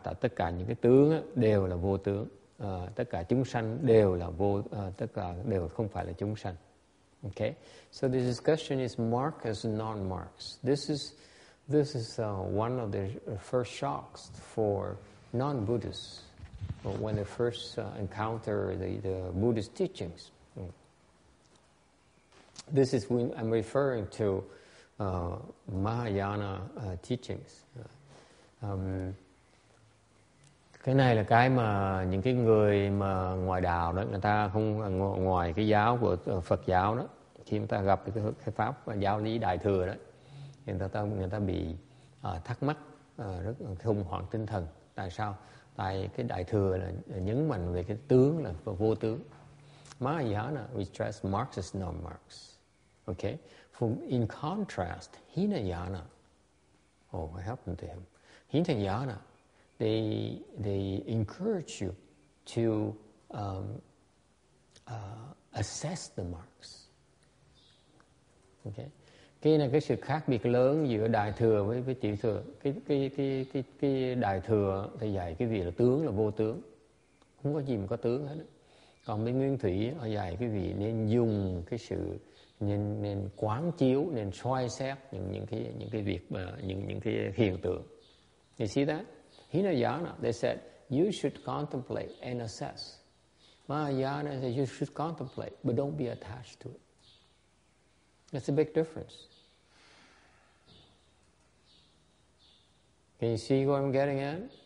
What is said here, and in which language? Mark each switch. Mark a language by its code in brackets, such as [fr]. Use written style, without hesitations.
[vi] Tại tất cả những cái tướng đều là vô tướng, tất cả chúng sanh đều là vô, tất cả đều không phải là chúng sanh. [en] Okay. So the discussion is mark as non-marks. This is one of the first shocks for non-Buddhists when they first encounter the Buddhist teachings. This is when I'm referring to Mahayana teachings. [vi] Cái này là cái mà những cái người mà ngoài đạo đó, người ta không ngoài cái giáo của Phật giáo đó, khi người ta gặp cái pháp giáo lý đại thừa đó, người ta bị thắc mắc, rất khủng hoảng tinh thần. Tại sao? Tại cái đại thừa là nhấn mạnh về cái tướng là vô tướng. [en] Mahayana, we stress marks as non-marks. Okay? In contrast, Hinayana, oh, what happened to him? Hinayana, they encourage you to assess the marks. Okay, [vi] Cái này cái sự khác biệt lớn giữa đại thừa với tiểu thừa. Cái đại thừa thì dạy cái vị là tướng, là vô tướng, không có gì mà có tướng hết. Còn bên nguyên thủy họ dạy cái vị nên dùng cái sự nên quán chiếu, nên soi xét những cái việc những cái hiện tượng. [en] You see that? Hinayana, they said you should contemplate and assess. Mahayana said you should contemplate, but don't be attached to it. That's a big difference. Can you see what I'm getting at?